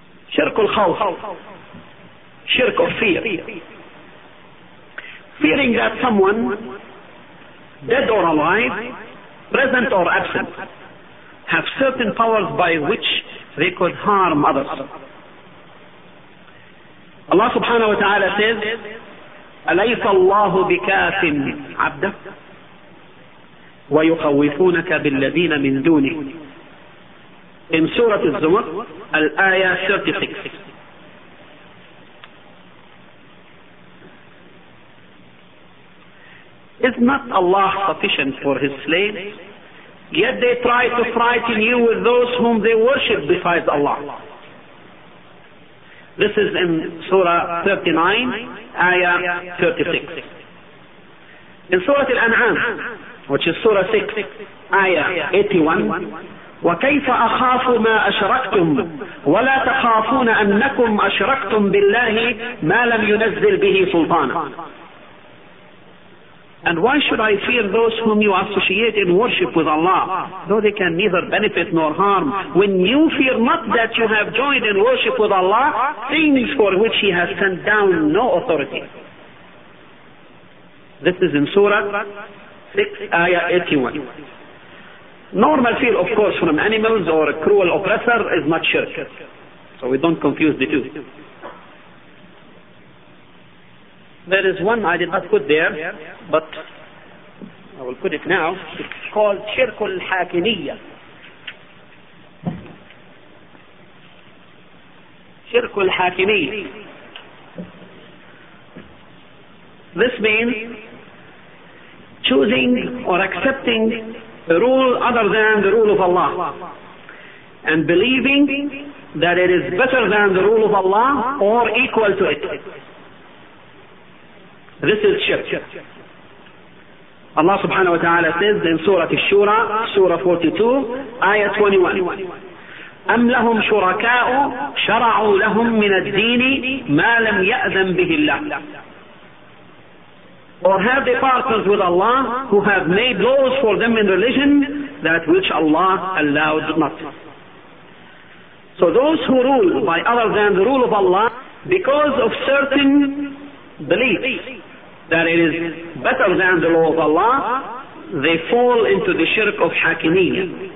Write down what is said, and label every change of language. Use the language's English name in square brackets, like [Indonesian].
[Arabic] شرك الخوف, [English] شرك of fear, fearing that someone dead or alive, present or absent, have certain powers by which they could harm others. Allah subhanahu wa ta'ala says, [Arabic] أَلَيْسَ اللَّهُ بِكَافٍ عَبْدَهُ وَيُخَوِّفُونَكَ بِالَّذِينَ مِنْ دُونِهِ. [English] In Surah Al-Zumar, Al-Ayah 36. Is not Allah sufficient for His slaves? Yet they try to frighten you with those whom they worship besides Allah. This is in Surah 39, Ayah 36. In Surah Al-An'am, which is Surah 6, Ayah 81, [Arabic] وَكَيْفَ أَخَافُ مَا أَشْرَكْتُمْ وَلَا تَخَافُونَ أَنَّكُمْ أَشْرَكْتُمْ بِاللَّهِ مَا لَمْ يُنَزِّلْ بِهِ سُلْطَانًا. [English] And why should I fear those whom you associate in worship with Allah, though they can neither benefit nor harm, when you fear not that you have joined in worship with Allah things for which He has sent down no authority? This is in Surah 6, Ayah 81. Normal fear, of course, from animals or a cruel oppressor is not shirk. So we don't confuse the two. There is one I did not put there, but I will put it now. It's called shirk al-hakimiyya. Shirk al-hakimiyya. This means choosing or accepting a rule other than the rule of Allah, and believing that it is better than the rule of Allah or equal to it. This is shirk. Allah subhanahu wa ta'ala says in Surah Ash-Shura, Surah 42, Ayah 21, [Arabic] أَمْ لَهُمْ شُرَكَاءُ شَرَعُوا لَهُمْ مِنَ الدِّينِ مَا لَمْ يَأْذَنْ بِهِ اللَّهِ. [English] Or have they partners with Allah who have made laws for them in religion that which Allah allowed not? So those who rule by other than the rule of Allah because of certain beliefs that it is better than the law of Allah, they fall into the shirk of hakimiyya.